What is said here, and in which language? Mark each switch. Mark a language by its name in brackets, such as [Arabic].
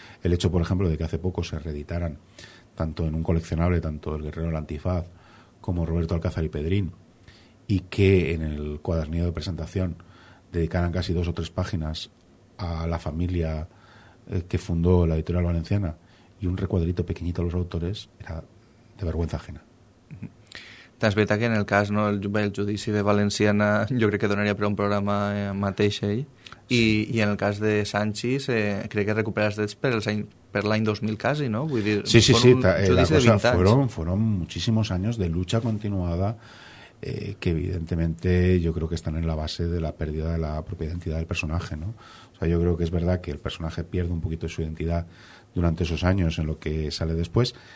[Spanish] El hecho, por ejemplo, de que hace poco se reeditaran, tanto en un coleccionable, tanto el guerrero del antifaz como Roberto Alcázar y Pedrín, y que en el cuadernillo de presentación dedicaran casi dos o tres páginas a la familia que fundó la Editorial Valenciana y un recuadrito pequeñito a los autores, era de vergüenza ajena. [Catalan] Es veritat que en el cas, no, el judici de Valenciana, jo crec que donaria per un programa mateix ell. Sí. I en el cas de Sanchis, crec que recupera els drets per l'any 2000 quasi, no? Vull dir, sí, sí, sí. [Spanish] La cosa, fueron muchísimos años de lucha continuada que evidentemente yo creo que están en la base de la pérdida de la propia identidad del personaje, ¿no? O sea, yo creo que es verdad que el personaje pierde un poquito de su identidad durante esos años en lo que sale después.